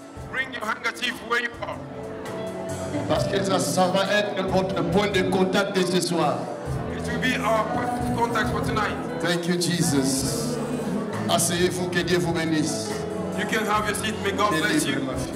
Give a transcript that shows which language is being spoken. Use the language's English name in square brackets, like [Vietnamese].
[English] Bring your handkerchief where you are. [French] Parce que ça va être votre point de contact de ce soir. [English] It will be our point of contact for tonight. Thank you, Jesus. [French] Asseyez-vous, que Dieu vous bénisse. [English] You can have your seat, may God bless you.